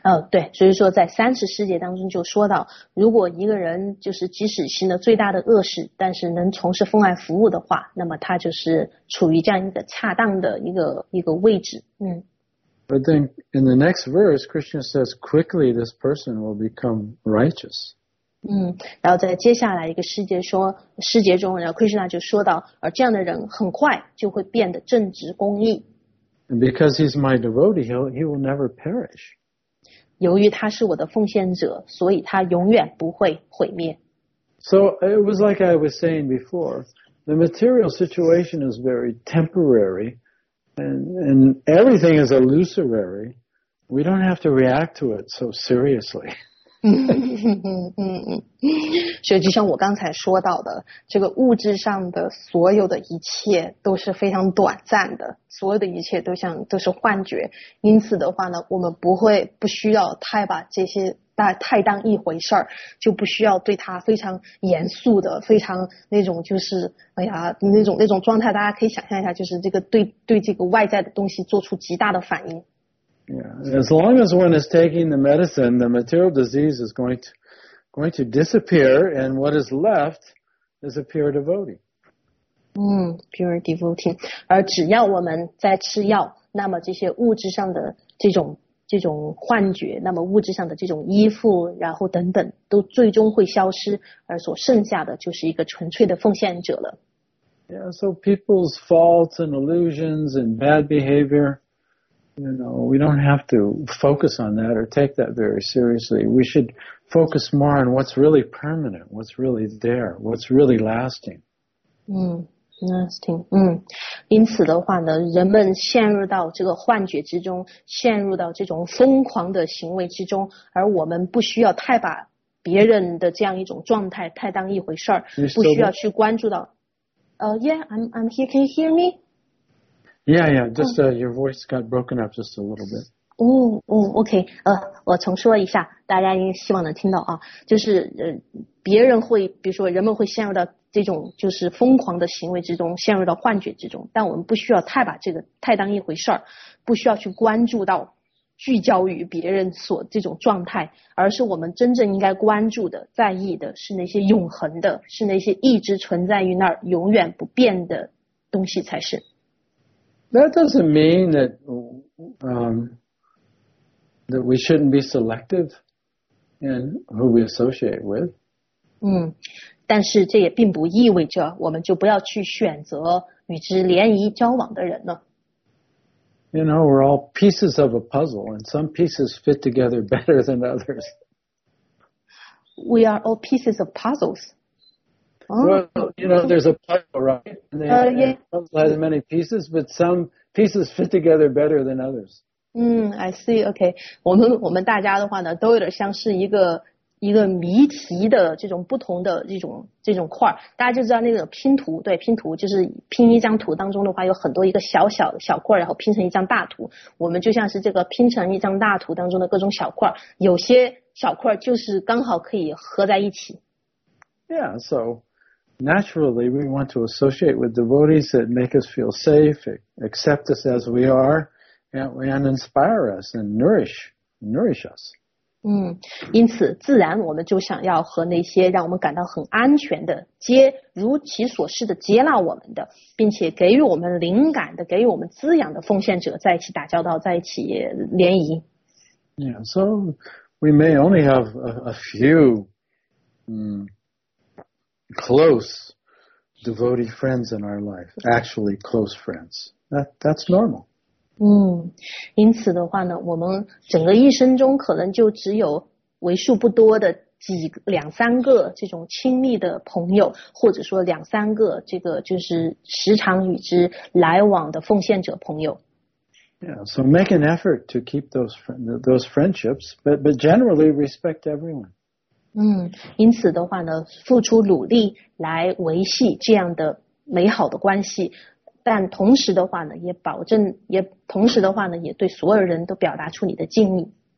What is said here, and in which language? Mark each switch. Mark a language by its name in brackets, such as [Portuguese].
[Chinese] 对，所以说在三十世界当中就说到，如果一个人就是即使行了最大的恶事，但是能从事奉爱服务的话，那么他就是处于这样一个恰当的一个位置。 [English] But then in the next verse, Krishna says, quickly this person will become righteous. [Chinese] 然后在接下来一个诗节中，然后 Krishna 就说到，而这样的人很快就会变得正直公义。 [English] Because he's my devotee, he will never perish. [Chinese] 由于他是我的奉献者，所以他永远不会毁灭。 [English] So it was like I was saying before, the material situation is very temporary, And everything is illusory. We don't have to react to it so seriously. [Chinese] 所以就像我刚才说到的，这个物质上的所有的一切都是非常短暂的，所有的一切都像都是幻觉。因此的话呢，我们不会不需要太把这些太当一回事儿，就不需要对它非常严肃的、非常那种就是哎呀那种状态。大家可以想象一下，就是这个对这个外在的东西做出极大的反应。 [English] Yeah, as long as one is taking the medicine, the material disease is going to disappear, and what is left is a pure devotee. Pure devotee. [Chinese] 而只要我们在吃药，那么这些物质上的这种幻觉，那么物质上的这种依附，然后等等，都最终会消失，而所剩下的就是一个纯粹的奉献者了。 [English] Yeah, so people's faults and illusions and bad behavior,we don't have to focus on that or take that very seriously. We should focus more on what's really permanent, what's really there, what's really lasting. Lasting. [Chinese] 因此的话呢，人们陷入到这个幻觉之中，陷入到这种疯狂的行为之中，而我们不需要太把别人的这样一种状态太当一回事儿，不需要去关注到。 [English] Yeah, I'm here. Can you hear me? Yeah, just your voice got broken up just a little bit. Okay. [Chinese] 我重说一下，大家应该希望能听到啊，就是别人会，比如说人们会陷入到这种就是疯狂的行为之中，陷入到幻觉之中，但我们不需要太把这个太当一回事儿，不需要去关注到聚焦于别人所这种状态，而是我们真正应该关注的、在意的是那些永恒的，是那些一直存在于那儿永远不变的东西才是。 [English] That doesn't mean that, that we shouldn't be selective in who we associate with. [Chinese] 但是这也并不意味着我们就不要去选择与之联谊交往的人了。 [English] You know, we're all pieces of a puzzle, and some pieces fit together better than others. We are all pieces of puzzles. Well, you know, there's a puzzle, right? And it has many pieces, but some pieces fit together better than others. I see, okay. [Chinese] 我们大家的话呢，都有点像是一个谜题的这种不同的这种块，大家就知道那个拼图，对，拼图就是拼一张图当中的话有很多一个小小小块，然后拼成一张大图。我们就像是这个拼成一张大图当中的各种小块，有些小块就是刚好可以合在一起。 [English] Yeah, so. Naturally, we want to associate with devotees that make us feel safe, accept us as we are, and inspire us and nourish us. [Chinese] 因此自然我们就想要和那些让我们感到很安全的接如其所示的接纳我们的，并且给予我们灵感的、给予我们滋养的奉献者在一起打交道、在一起联谊。 [English] Yeah, so we may only have a few. Close devotee friends in our life, actually close friends. That's normal. [Chinese] 因此的话呢，我们整个一生中可能就只有为数不多的两三个这种亲密的朋友，或者说两三个这个就是时常与之来往的奉献者朋友。 [English] Yeah, so make an effort to keep those friendships, but generally respect everyone. [Chinese] 因此的话呢，付出努力来维系这样的美好的关系，但同时的话呢，也对所有人都表达出你的敬意。